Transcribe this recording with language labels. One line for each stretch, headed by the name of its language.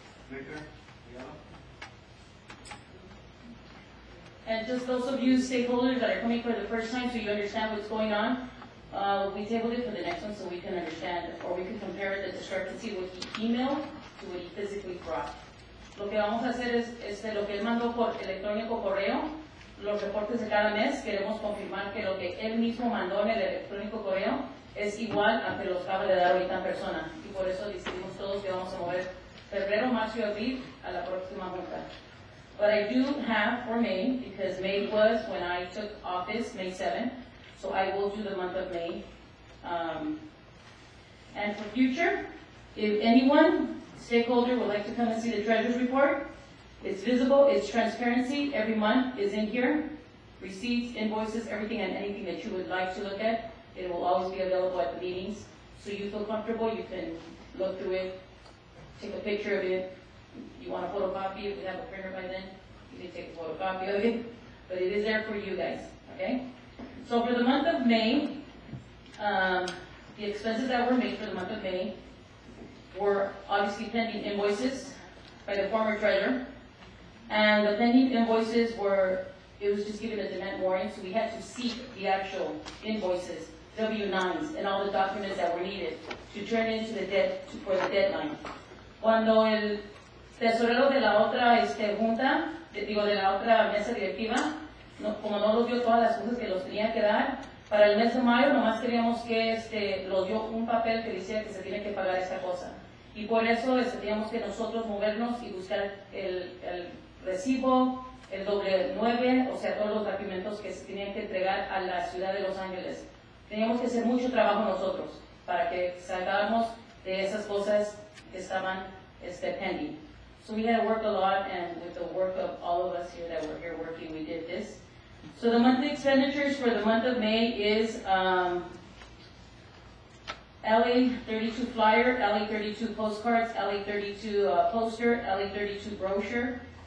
English: Victor? Yeah. And just those of you stakeholders that are coming for the first time, so you understand what's going on, we tabled it for the next one so we can understand, or we can compare the discrepancy with the email to what he physically brought.
Spanish: Lo que vamos a hacer es lo que él mandó por electrónico correo, los reportes de cada mes, queremos confirmar que lo que él mismo mandó en el electrónico correo es igual a que los acaba de dar ahorita en persona. Y por eso decidimos todos que vamos a mover febrero, marzo y abril a la próxima junta.
English: But I do have for May, because May was when I took office, May 7th, so I will do the month of May. And for future, if anyone, stakeholder, would like to come and see the treasurer's report, it's visible, it's transparency, every month is in here, receipts, invoices, everything and anything that you would like to look at, it will always be available at the meetings. So you feel comfortable, you can look through it, take a picture of it. You want a photocopy, if we have a printer by then, you can take a photocopy of it. But it is there for you guys, okay? So for the month of May, the expenses that were made for the month of May were obviously pending invoices by the former treasurer. And the pending invoices were, it was just given a demand warrant, so we had to seek the actual invoices, W-9s, and all the documents that were needed to turn into the debt for the deadline.
Spanish: Cuando el tesorero de la otra junta, de la otra mesa directiva, no, como no los dio todas las cosas que los tenía que dar, para el mes de mayo nomás queríamos que los dio un papel que decía que se tiene que pagar esta cosa. Y por eso teníamos que nosotros movernos y buscar el recibo, el W-9, o sea, todos los documentos que se tenían que entregar a la ciudad de Los Ángeles. Teníamos que hacer mucho trabajo nosotros para que salgáramos de esas cosas que estaban pending.
English: So we had to work a lot, and with the work of all of us here that were here working, we did this. So the monthly expenditures for the month of May is LA 32 flyer, LA 32 postcards, LA 32 poster, LA 32 brochure.